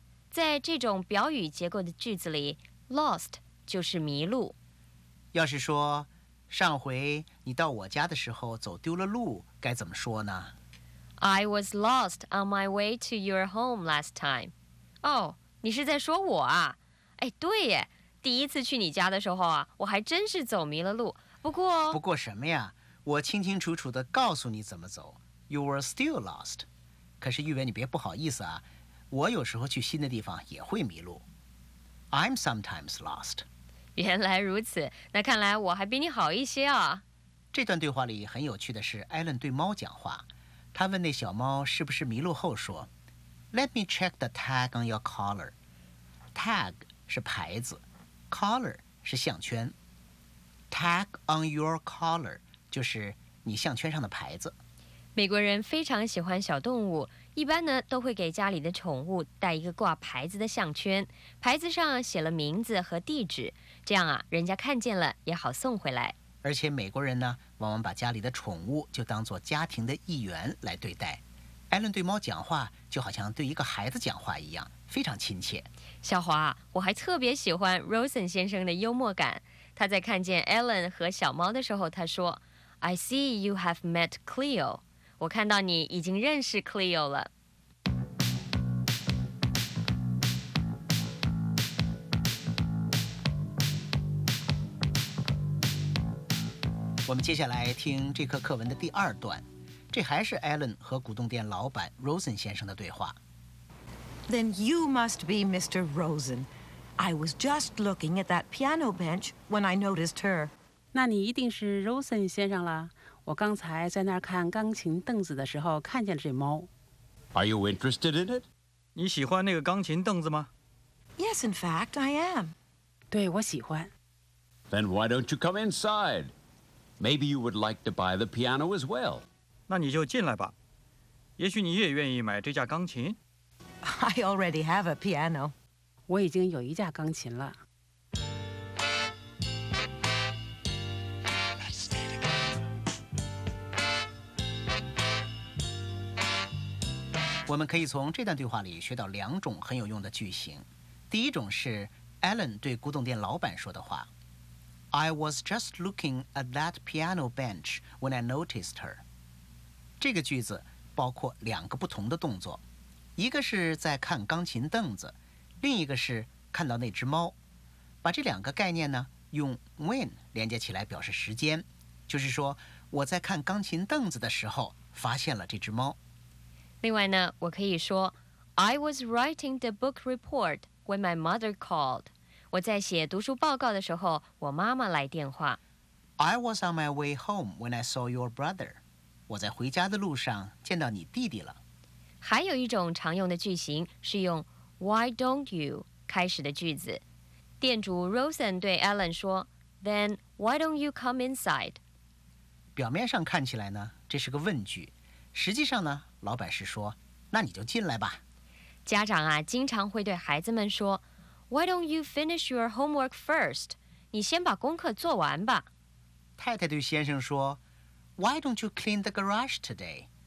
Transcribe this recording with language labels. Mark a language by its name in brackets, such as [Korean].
[Chinese] 在这种表语结构的句子里 ，lost 就是迷路。要是说上回你到我家的时候走丢了路，该怎么说呢？ [English] I was lost on my way to your home last time. [Chinese] Oh, 你是在说我啊？哎，对耶，第一次去你家的时候啊，我还真是走迷了路。不过什么呀？我清清楚楚地告诉你怎么走。 [English] You were still lost. [Chinese] 可是玉伟，你别不好意思啊，我有时候去新的地方也会迷路。 [English] I'm sometimes lost. [Chinese] 原来如此，那看来我还比你好一些啊。这段对话里很有趣的是，艾伦对猫讲话。他问那小猫是不是迷路后说 [English] Let me check the tag on your collar. [Chinese] Tag 是牌子， collar 是项圈。 Tag on your collar 就是你项圈上的牌子。美国人非常喜欢小动物，一般呢都会给家里的宠物带一个挂牌子的项圈，牌子上写了名字和地址，这样啊人家看见了也好送回来。而且美国人呢，往往把家里的宠物就当作家庭的一员来对待。艾伦对猫讲话，就好像对一个孩子讲话一样，非常亲切。小华，我还特别喜欢 Rosen 先生的幽默感。他在看见艾伦和小猫的时候，他说 ： [English] “I see you have met Cleo。” [Chinese] 我看到你已经认识 Cleo 了。我们接下来听这课课文的第二段。这还是 Alan 和古董店老板 Rosen 先生的对话。 [English] Then you must be Mr. Rosen. I was just looking at that piano bench when I noticed her. [Chinese] 那你一定是 Rosen 先生了。我刚才在那儿看钢琴凳子的时候看见了这猫。 [English] Are you interested in it? [Chinese] 你喜欢那个钢琴凳子吗？ [English] Yes, in fact, I am. [Chinese] 对，我喜欢。 [English] Then why don't you come inside? Maybe you would like to buy the piano as well. [Chinese] 那你就进来吧。也许你也愿意买这架钢琴。 [English] I already have a piano. [Chinese] 我已经有一架钢琴了。我们可以从这段对话里学到两种很有用的句型。第一种是 Alan 对古董店老板说的话。 [English] I was just looking at that piano bench when I noticed her. [Chinese] 这个句子包括两个不同的动作，一个是在看钢琴凳子，另一个是看到那只猫。把这两个概念呢，用 when 连接起来表示时间，就是说我在看钢琴凳子的时候发现了这只猫。另外呢，我可以说 [English] I was writing the book report when my mother called. [Chinese] 我在写读书报告的时候，我妈妈来电话。 [English] I was on my way home when I saw your brother. [Chinese] 我在回家的路上见到你弟弟了。还有一种常用的句型是用 Why don't you 开始的句子。店主 Rosen 对 Alan 说 [English] Then why don't you come inside? [Chinese] 表面上看起来呢，这是个问句。实际上呢，老板是说那你就进来吧。家长啊，经常会对孩子们说 [English] Why don't you finish your homework first? [Chinese] 你先把功课做完吧。太太对先生说 [English] Why don't you clean the garage today?